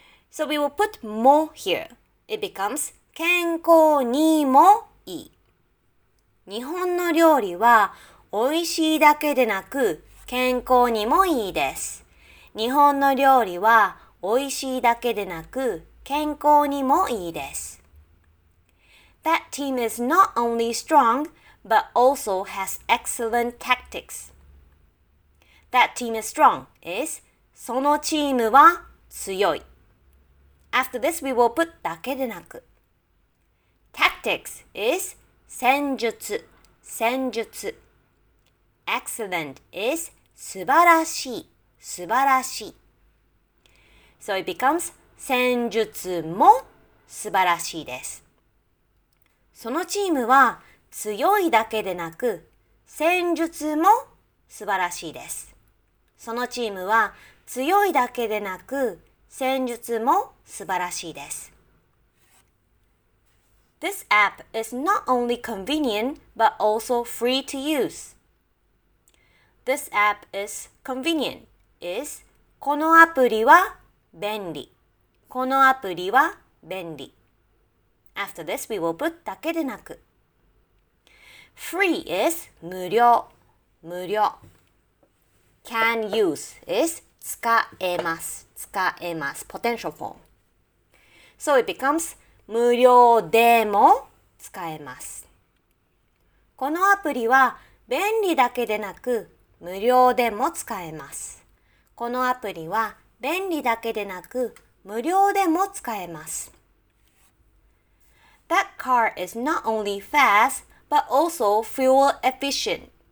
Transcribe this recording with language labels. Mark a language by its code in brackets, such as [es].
[en] So we will put も here. It becomes [ja] 健康にもいい。日本の料理は美味しいだけでなく健康にもいいです。日本の料理は美味しいだけでなく健康にもいいです。 [en] That team is not only strong, but also has excellent tactics. That team is strong is [ja] そのチームは強い。 [en] After this, we will put だけでなく。Tactics is 戦術、戦術。 Excellent is 素晴らしい、素晴らしい。 So it becomes [ja] 戦術も素晴らしいです。 [en] そのチームは強いだけでなく、戦術も素晴らしいです。そのチームは強いだけでなく、戦術も素晴らしいです。 This app is not only convenient, but also free to use. This app is convenient. [ja] Is このアプリは便利。このアプリは便利。 [en] After this, we will put だけでなく。 Free is 無料。無料。Can use is 使えます。使えます。Potential form. So it becomes [ja] 無料でも使えます。このアプリは便利だけでなく無料でも使えます。このアプリは便利だけでなく無料でも使えます。 [en] That car is not only fast, but also fuel efficient.